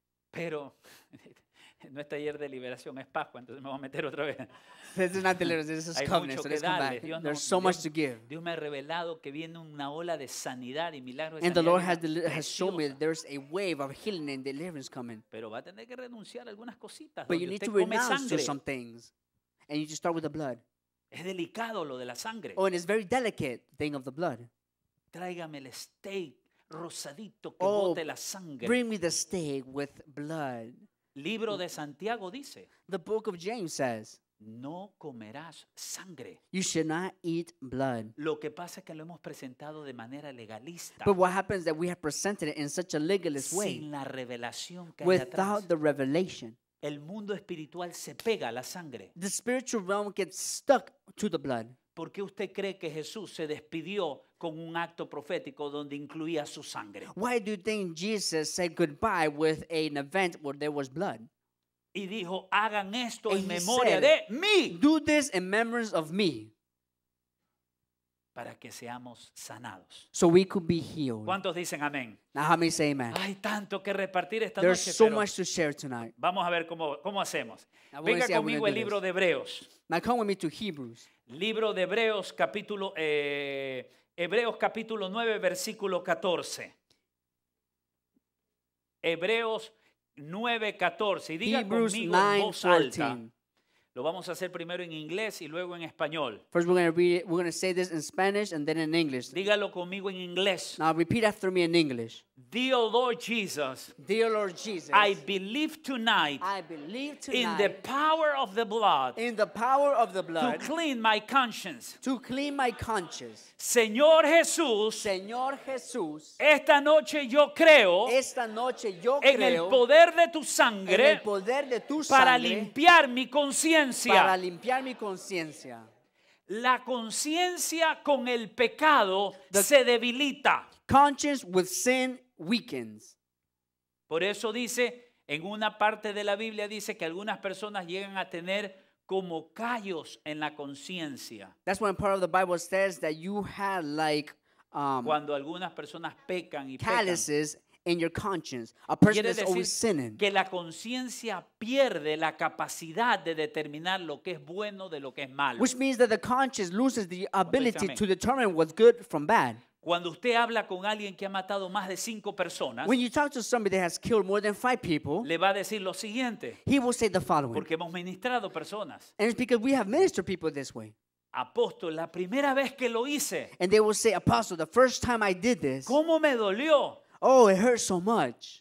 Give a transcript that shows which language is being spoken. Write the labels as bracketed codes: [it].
[es] Pero no es taller de liberación, es Pascua, entonces me voy a meter otra vez. [en] This is not deliverance, this is covenant. So let's come back. There's so much to give. [es] Dios me ha revelado que viene una ola de sanidad y milagro. [en] And the Lord has shown me that there's a wave of healing and deliverance coming. [es] Pero va a tener que renunciar algunas cositas. [en] But you need to renounce some things. And you just start with the blood. [es] Es delicado lo de la sangre. [en] Oh, and it's very delicate thing of the blood. [es] Tráigame el steak rosadito que bote la sangre. [en] Bring me the steak with blood. [es] Libro de Santiago dice. [en] The book of James says. [es] No comerás sangre. [en] You should not eat blood. [es] Lo que pasa es que lo hemos presentado de manera legalista. [en] But what happens is that we have presented it in such a legalist way. [es] Sin la revelación que [en] without [es] hay atrás. [en] Without the revelation. [es] El mundo espiritual se pega a la sangre. [en] The spiritual realm gets stuck to the blood. [es] ¿Por qué usted cree que Jesús se despidió con un acto profético donde incluía su sangre? [en] Why do you think Jesus said goodbye with an event where there was blood? [es] Y dijo, hagan esto [en] and [es] en memoria de mí. [en] Do this in memory of me. [es] Para que seamos sanados. [en] So we could be healed. [es] ¿Cuántos dicen amén? [en] Now how many say amen? [es] Hay tanto que repartir esta [en] there's [es] noche. [en] There's so much to share tonight. [es] Vamos a ver cómo hacemos. Venga conmigo el libro [en] this. [es] De Hebreos. [en] Now come with me to Hebrews. [es] Libro de Hebreos capítulo Hebreos capítulo 9 versículo 14. Hebreos 9:14. Y diga Hebrews conmigo 9:14. En voz alta. Lo vamos a hacer primero en inglés y luego en español. [en] First we're going to read it, we're going to say this in Spanish and then in English. [es] Dígalo conmigo en inglés. [en] Now repeat after me in English. Dear Lord Jesus, I believe tonight in the power of the blood, in the power of the blood, to clean my conscience. [es] Señor Jesús, esta noche yo creo en el poder de tu sangre, en el poder de tu sangre, para limpiar mi conciencia. La conciencia con el pecado se debilita. [en] Conscience with sin weakens. [es] Por eso dice, en una parte de la Biblia dice que algunas personas llegan a tener como callos en la conciencia. [en] That's when part of the Bible says that you have like [es] cuando algunas personas pecan y [en] calluses [es] pecan. [en] In your conscience. A person is always sinning. [es] Que la conciencia pierde la capacidad de determinar lo que es bueno de lo que es malo. [en] Which means that the conscience loses the ability to determine what's good from bad. [es] Cuando usted habla con alguien que ha matado más de 5 personas, [en] when you talk to somebody that has killed more than 5 people, [es] le va a decir lo siguiente. [en] He will say the following. [es] Porque hemos ministrado personas. [en] And it's because we have ministered people this way. [es] Apóstol, la primera vez que lo hice. [en] And they will say, apostle, the first time I did this. [es] ¿Cómo me dolió? [en] Oh, it hurt so much.